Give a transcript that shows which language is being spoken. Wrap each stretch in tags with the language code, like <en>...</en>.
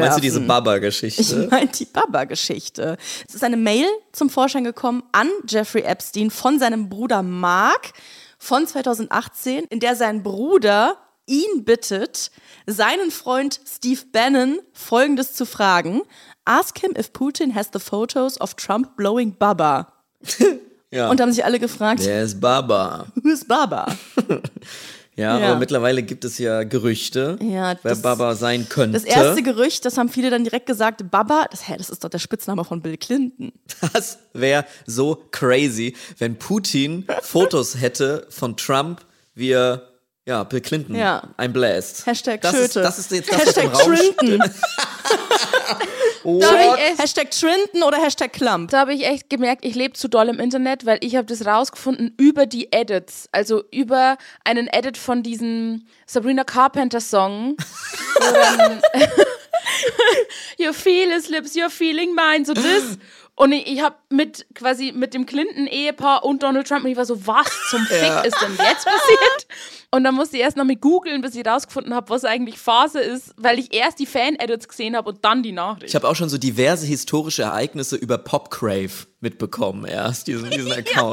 <de>Meinst du diese Baba-Geschichte? Ich meine die Baba-Geschichte. Es ist eine Mail zum Vorschein gekommen an Jeffrey Epstein von seinem Bruder Mark von 2018, in der sein Bruder ihn bittet, seinen Freund Steve Bannon Folgendes zu fragen.</de> <en>Ask him if Putin has the photos of Trump blowing Baba.</en> <de>Ja. Und haben sich alle gefragt, wer ist Baba?</de> <en>Who is Baba?</en> <de>Ja, aber mittlerweile gibt es ja Gerüchte, wer Baba sein könnte. Das erste Gerücht, das haben viele dann direkt gesagt, Baba, das ist doch der Spitzname von Bill Clinton. Das wäre so crazy, wenn Putin Fotos hätte von Trump, wie er, Bill Clinton einbläst. Hashtag das Schöte. Das ist jetzt das, Hashtag was im Trinton. Raum steht. Hashtag Trinton oder Hashtag Klump. Da habe ich echt gemerkt, ich lebe zu doll im Internet, weil ich habe das rausgefunden über die Edits. Also über einen Edit von diesem Sabrina Carpenter Song.</de> <en>Your feel is lips, you're feeling mine.</en> <de>So das. Und ich habe mit quasi mit dem Clinton-Ehepaar und Donald Trump, und ich war so, was zum Fick ist denn jetzt passiert? Und dann musste ich erst noch mal googeln, bis ich rausgefunden habe, was eigentlich Phase ist, weil ich erst die Fan-Edits gesehen habe und dann die Nachricht. Ich habe auch schon so diverse historische Ereignisse über Popcrave mitbekommen, erst diesen Account.</de>